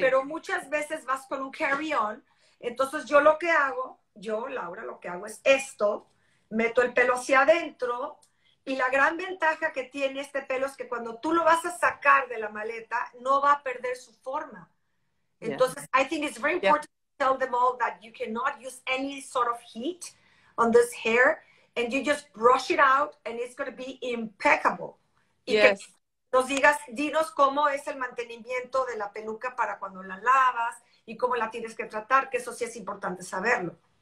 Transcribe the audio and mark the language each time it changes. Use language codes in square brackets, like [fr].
[es] Pero muchas veces vas con un carry-on, entonces yo lo que hago, yo, Laura, lo que hago es esto, meto el pelo hacia adentro, y la gran ventaja que tiene este pelo es que cuando tú lo vas a sacar de la maleta, no va a perder su forma. [en] Entonces, yeah. I think it's very important yeah. to tell them all that you cannot use any sort of heat on this hair, and you just brush it out, and it's going to be impeccable. Yes. [es] Nos digas, dinos cómo es el mantenimiento de la peluca para cuando la lavas y cómo la tienes que tratar, que eso sí es importante saberlo.